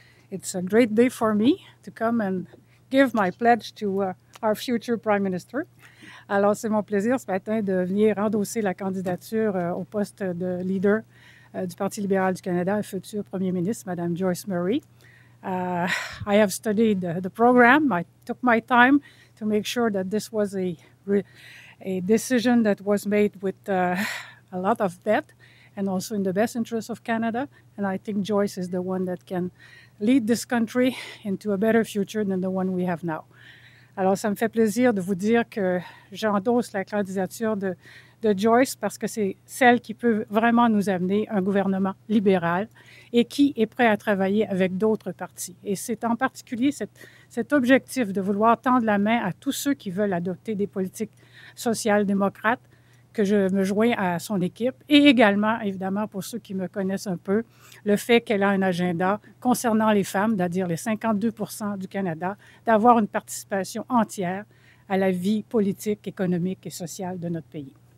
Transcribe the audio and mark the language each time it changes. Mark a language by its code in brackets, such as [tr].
[en] It's a great day for me to come and give my pledge to our future Prime Minister. [fr] Alors, c'est mon plaisir ce matin de venir endosser la candidature au poste de leader du Parti libéral du Canada et future Premier ministre, Madame Joyce Murray. [en] I have studied the program. I took my time to make sure that this was a decision that was made with a lot of depth and also in the best interest of Canada. And I think Joyce is the one that can lead this country into a better future than the one we have now. [fr] Alors, ça me fait plaisir de vous dire que j'endosse la candidature de Joyce parce que c'est celle qui peut vraiment nous amener un gouvernement libéral et qui est prêt à travailler avec d'autres partis. Et c'est en particulier cet objectif de vouloir tendre la main à tous ceux qui veulent adopter des politiques sociales-démocrates que je me joins à son équipe et également, évidemment, pour ceux qui me connaissent un peu, le fait qu'elle a un agenda concernant les femmes, c'est-à-dire les 52 % du Canada, d'avoir une participation entière à la vie politique, économique et sociale de notre pays.